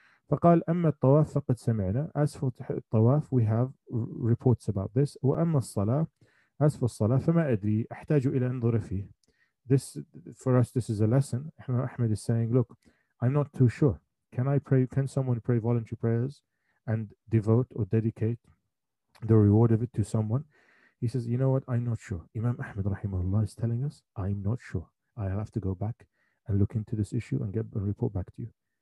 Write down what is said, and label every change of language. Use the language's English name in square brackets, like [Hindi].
[Arabic] فقال أما الطواف فقد سمعنا. [English] As for الطواف, we have reports about this. [Arabic] وأما الصلاة, [English] as for [Arabic] الصلاة, فما أدري أحتاج إلى أنظر فيه. [English] This for us, this is a lesson. Ahmed is saying, look, I'm not too sure. Can I pray? Can someone pray voluntary prayers and devote or dedicate the reward of it to someone? He says, you know what? I'm not sure. Imam Ahmed rahimahullah is telling us, I'm not sure. I'll have to go back and look into this issue and get a report back to you.